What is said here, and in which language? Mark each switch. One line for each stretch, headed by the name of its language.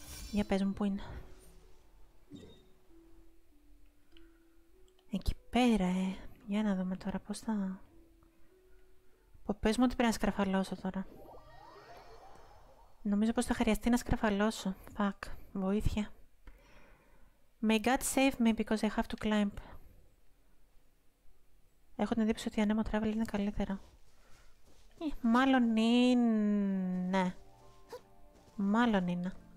Greek: Για πες μου πού είναι. Εκεί πέρα, ε. Για να δούμε τώρα πώς θα... Πες μου ότι πρέπει να σκαρφαλώσω τώρα. Νομίζω πως θα χρειαστεί να σκαρφαλώσω. Fuck. Βοήθεια.
English: May God save me because I have to climb.
Greek: Έχω την εντύπωση ότι η ανέμο travel είναι καλύτερα. Μάλλον είναι. Μάλλον είναι.